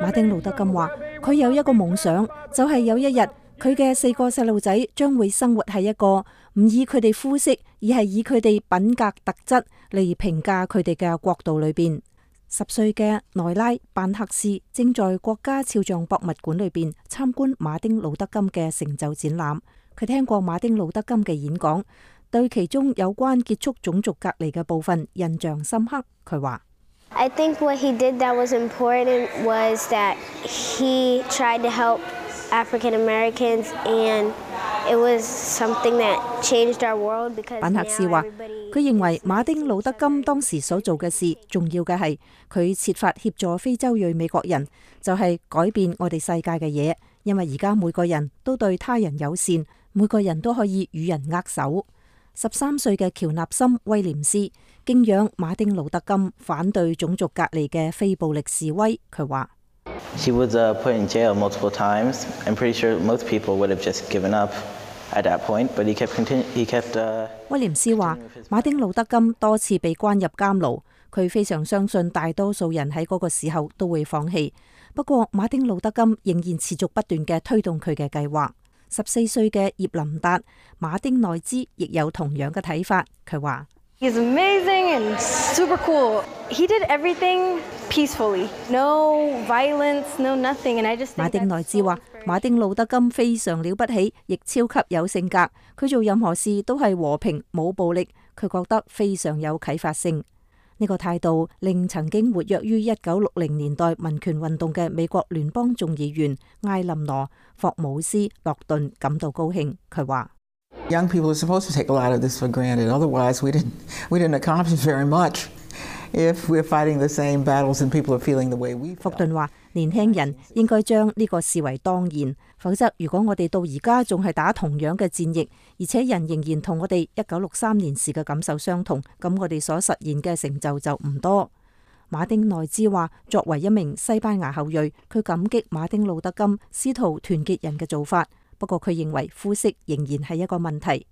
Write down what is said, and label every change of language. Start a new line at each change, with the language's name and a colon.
Chinese: 马丁路德金说，他有一个梦想，就是有一日，他的四个小孩将会生活在一个不以他们肤色，而是以他们品格特质来评价他们的国度里面。十岁的奈拉·班克斯正在国家肖像博物馆里面参观马丁路德金的成就展览。他听过马丁路德金的演讲，对其中有关结束种族隔离的部分印象深刻。他说，
English: I think what he did that was important was that he tried to help African Americans and it was something that changed our world because.
Chinese: 班克斯说，他认为马丁路德金当时所做的事重要的是他设法协助非洲裔美国人，就是改变我们世界的事，因为现在每个人都对他人友善，每个人都可以与人握手。 13岁的乔纳森·威廉斯敬仰马丁·路德·金反对种族隔离的非暴力示威，他说
English: He was put in jail multiple times. I'm pretty sure most people would have just given up at that point, but he kept
Chinese: 威廉斯说马丁·路德·金多次被关入监牢，他非常相信大多数人在那个时候都会放弃。不过马丁·路德·金仍然持续不断地推动他的计划。 14岁的叶林达·马丁内兹亦有同样的看法，他说
English: He's amazing and super cool. He did everything peacefully. No violence, no nothing. And I just
Chinese: 马丁内兹说马丁·路德·金非常了不起，亦超级有性格。他做任何事都是和平，没有暴力。他觉得非常有启发性。这个态度令曾经活跃于1960年代民权运动的美国联邦众议员艾琳诺·霍姆斯·洛顿感到高兴，他说
English: Young people are supposed to take a lot of this for granted. Otherwise, we didn't accomplish very much. If we're fighting the same battles and people are feeling the way we feel.
Chinese: 霍顿说年轻人应该将这个视为当然，否则如果我们到现在还是打同样的战役，而且人仍然和我们1963年时的感受相同，那我们所实现的成就就不多。马丁内兹说作为一名西班牙后裔，他感激马丁路德金试图团结人的做法，不过他认为肤色仍然是一个问题。